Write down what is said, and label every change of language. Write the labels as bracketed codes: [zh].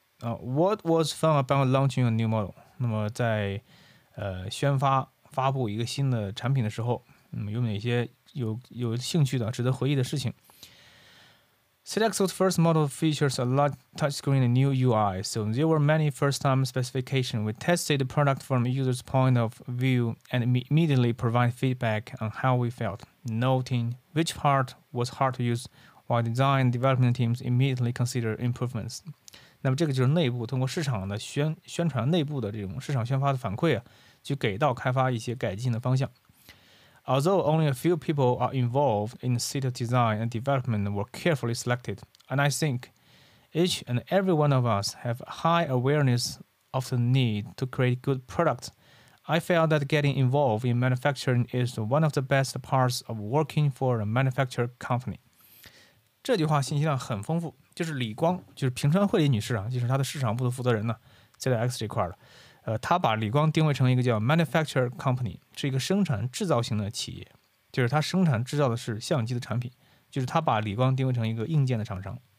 [en] What was fun about launching a new model？ [zh] 那么在宣发发布一个新的产品的时候，有哪些有兴趣的值得回忆的事情。 [en] THETA X's first model features a large touchscreen and new UI, so there were many first-time specifications. We tested the product from a user's point of view and immediately provided feedback on how we felt, noting which part was hard to use, while design development teams immediately considered improvements. [zh] 那么这个就是内部通过市场的宣传内部的这种市场宣发的反馈，去给到开发一些改进的方向。 [en] Although only a few people are involved in THETA design and development were carefully selected, and I think each and every one of us have high awareness of the need to create good products, I felt that getting involved in manufacturing is one of the best parts of working for a manufacturer company. [zh] 这句话信息量很丰富，就是李光，就是平山惠里女士啊，就是她的市场部的负责人呢，THETA X这块的。他把李光定位成一个叫 manufacturer company， 是一个生产制造型的企业，就是他生产制造的是相机的产品，就是他把李光定位成一个硬件的厂商。